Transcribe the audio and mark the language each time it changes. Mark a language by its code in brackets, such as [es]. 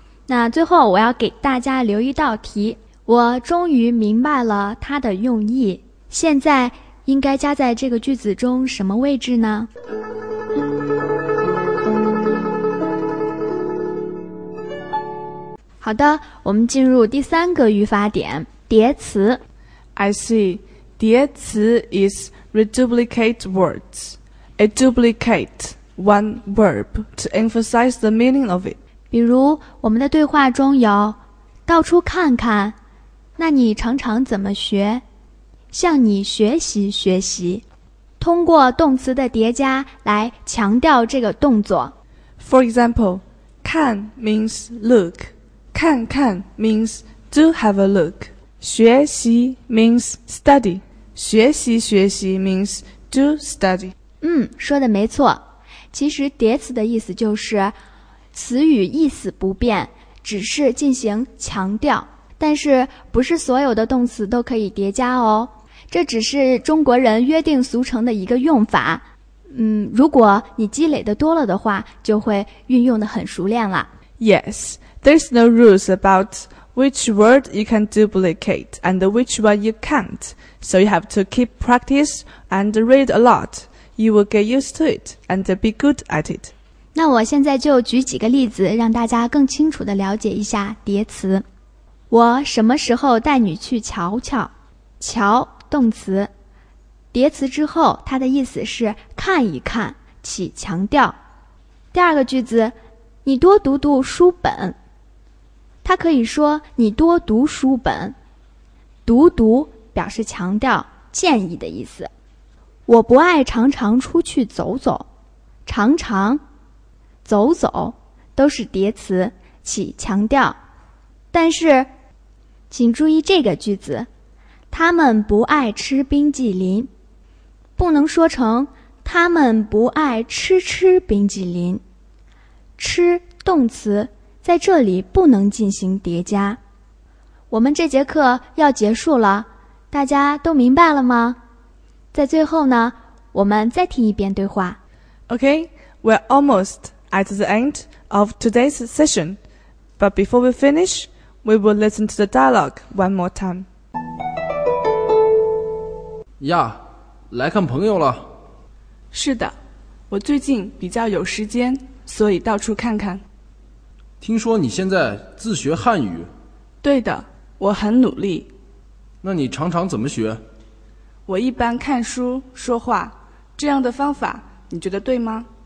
[zh] 那最后我要给大家留一道题，我终于明白了它的用意，现在应该加在这个句子中什么位置呢？好的，我们进入第三个语法点，叠词。 [en] I see, 叠词 is reduplicate words. A duplicate one verb to emphasize the meaning of it. [zh] 比如我们的对话中有到处看看，那你常常怎么学？向你学习学习，通过动词的叠加来强调这个动作。 For example, 看 means look, 看看 means do have a look, 学习 means study, 学习学习 means do study. 嗯，说的没错。其实叠词的意思就是词语意思不变，只是进行强调，但是不是所有的动词都可以叠加哦。这只是中国人约定俗成的一个用法，如果你积累的多了的话，就会运用的很熟练了。 [en] Yes, there's no rules about which word you can duplicate and which one you can't, so you have to keep practice and read a lot. You will get used to it and be good at it. [zh] 那我现在就举几个例子，让大家更清楚地了解一下叠词。我什么时候带你去瞧瞧？瞧。动词叠词之后，它的意思是看一看，起强调。第二个句子，你多读读书本，它可以说你多读书本，读读表示强调建议的意思。我不爱常常出去走走，常常走走都是叠词，起强调。但是请注意这个句子，他们不爱吃冰淇淋，不能说成他们不爱吃冰淇淋。吃动词在这里不能进行叠加。我们这节课要结束了，大家都明白了吗？在最后呢，我们再听一遍对话。 [en] Okay, we're almost at the end of today's session, but before we finish, we will listen to the dialogue one more time. [zh] 呀，来看朋友了。是的，我最近比较有时间，所以到处看看。听说你现在自学汉语？对的，我很努力。那你常常怎么学？我一般看书、说话，这样的方法你觉得对吗？